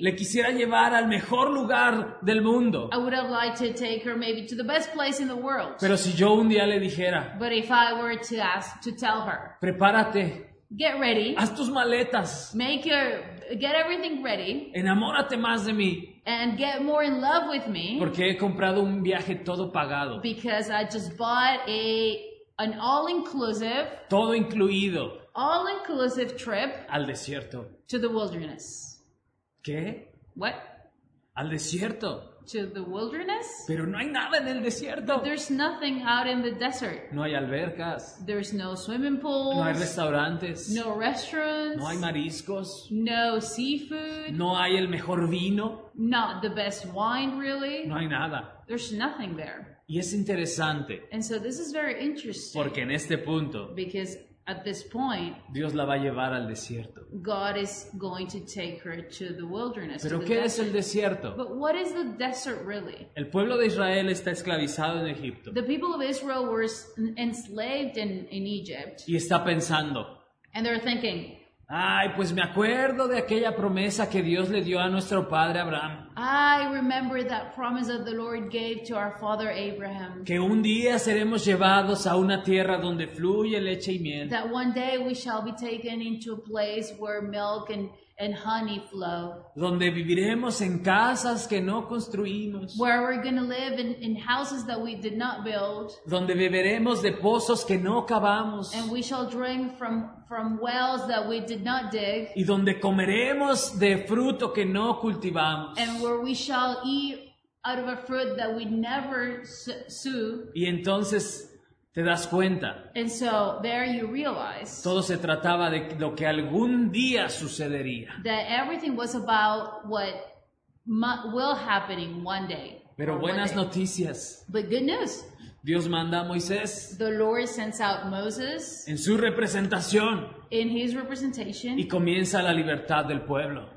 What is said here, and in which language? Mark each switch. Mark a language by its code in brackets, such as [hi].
[es] Le quisiera llevar al mejor lugar del mundo. [en] I would have liked to take her maybe to the best place in the world. [es] Pero si yo un día le dijera, [en] but if I were to ask to tell her, [es] prepárate. [en] Get ready. [es] Haz tus maletas. [en] Get everything ready. [es] Enamórate más de mí. [en] And get more in love with me. [es] Porque he comprado un viaje todo pagado. [en] Because I just bought an all-inclusive. [es] Todo incluido. [en] All-inclusive trip. [es] Al desierto. [en] To the wilderness. [es] ¿Qué? [en] What? [es] Al desierto. [en] To the wilderness? [es] Pero no hay nada en el desierto. [en] But there's nothing out in the desert. [es] No hay albercas. [en] There's no swimming pools. [es] No hay restaurantes. [en] No restaurants. [es] No hay mariscos. [en] No seafood. [es] No hay el mejor vino. [en] Not the best wine, really. [es] No hay nada. [en] There's nothing there. [es] Y es interesante. [en] And so this is very interesting. [es] Porque en este punto. [en] Because at this point, [es] Dios la va a llevar al desierto. [en] God is going to take her to the wilderness. [es] ¿Pero [en] to the [es] qué [en] desert. [es] Es el desierto? [en] But what is the desert really? [es] El pueblo de Israel está esclavizado en Egipto. [en] The people of Israel were enslaved in Egypt. [es] Y está pensando. [en] And they're thinking. [es] Ay, pues me acuerdo de aquella promesa que Dios le dio a nuestro padre Abraham. [en] I remember that promise that the Lord gave to our father Abraham. [es] Que un día seremos llevados a una tierra donde fluye leche y miel. [en] That one day we shall be taken into a place where milk and honey flow. [es] Donde viviremos en casas que no construimos. [en] Where we're going to live in houses that we did not build. [es] Donde beberemos de pozos que no cavamos. [en] And we shall drink from wells that we did not dig. [es] Y donde comeremos de fruto que no cultivamos. [en] And where we shall eat out of a fruit that we never sow. [es] Y entonces te das cuenta. [en] And so there you realize. [es] Todo se trataba de lo que algún día sucedería. [en] That everything was about what will happening one day. [es] Pero buenas noticias. [en] But good news. [es] Dios manda a Moisés. [en] The Lord sends out Moses. [es] En su representación. [en] In his representation. [es] Y comienza la libertad del pueblo.